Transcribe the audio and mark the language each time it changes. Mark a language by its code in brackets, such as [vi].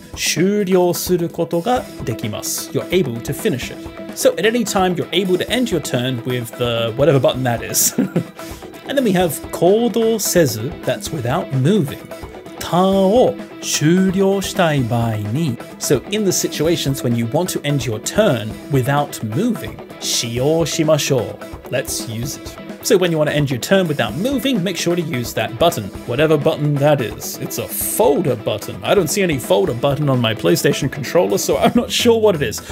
[ja] 終了することができます. [en] You're able to finish it. So at any time, you're able to end your turn with the whatever button that is. And then we have [ja] 行動せず, [en] that's without moving. [ja] ターンを終了したい場合に, [en] so in the situations when you want to end your turn without moving, [ja] 使用しましょう. [en] Let's use it. So when you want to end your turn without moving, make sure to use that button. Whatever button that is. It's a folder button. I don't see any folder button on my PlayStation controller, so I'm not sure what it is.